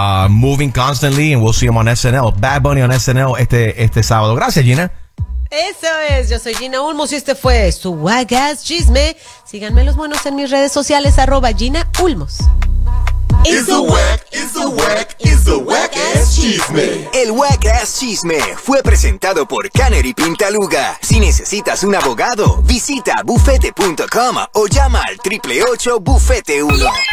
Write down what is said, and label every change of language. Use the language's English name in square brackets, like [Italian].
[English] Moving constantly and we'll see him on SNL. [Spanish] Bad Bunny on SNL este sábado. Gracias, Gina. Eso es, yo soy Gina Ulmos y este fue su Wack Ass Chisme. Síganme los buenos en mis redes sociales, arroba Gina Ulmos. [English] It's the Wack, it's the Wack, it's the Wack Ass Chisme. [Spanish] El Wack Ass Chisme fue presentado por Canary Pintaluga. Si necesitas un abogado, visita bufete.com o llama al 888-BUFETE-1.